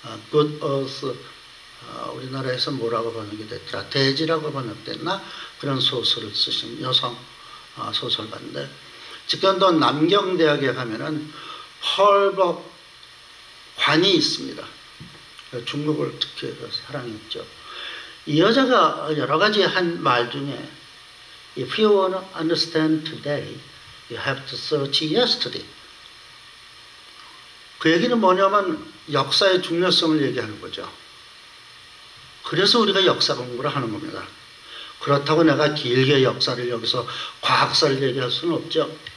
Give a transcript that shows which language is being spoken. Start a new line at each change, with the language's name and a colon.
Korean: Good Earth, 우리나라에서 뭐라고 번역이 됐더라? 대지라고 번역됐나? 그런 소설을 쓰신 여성 소설가인데 지금도 남경대학에 가면은 펄벅 관이 있습니다. 중국을 특히 사랑했죠. 이 여자가 여러 가지 한 말 중에
English: If you want to understand today, you have to search yesterday.
Korean: 그 얘기는 뭐냐면 역사의 중요성을 얘기하는 거죠. 그래서 우리가 역사 공부를 하는 겁니다. 그렇다고 내가 길게 역사를 여기서 과학사를 얘기할 수는 없죠.